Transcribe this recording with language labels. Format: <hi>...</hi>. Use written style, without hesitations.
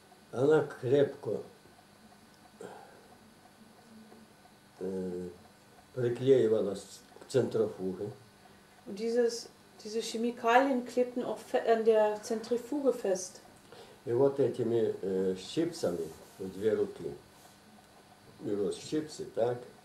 <ru>Она крепко приклеивалась к центрофуге.</ru> <de>Und diese Chemikalien klebten auch an der Zentrifuge fest.</de> <ru>И вот этими щипцами, в две руки, берут щипцы, так,</ru>